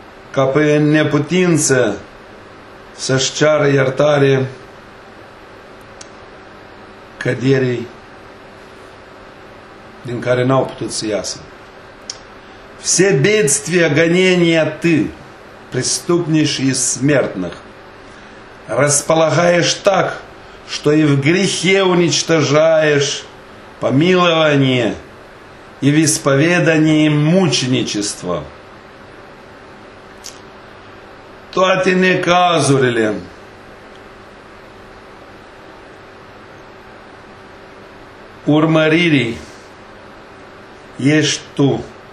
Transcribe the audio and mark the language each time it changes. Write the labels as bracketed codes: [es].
[ro] ca pe neputință să-și ceară iertare căderii din care n-au putut să iasă. [ru] Все бедствия, гонения ты, преступнейший из смертных, располагаешь так, что и в грехе уничтожаешь помилование и в исповедании мученичество. [ro] Toate necazurile, urmăririi, ești tu,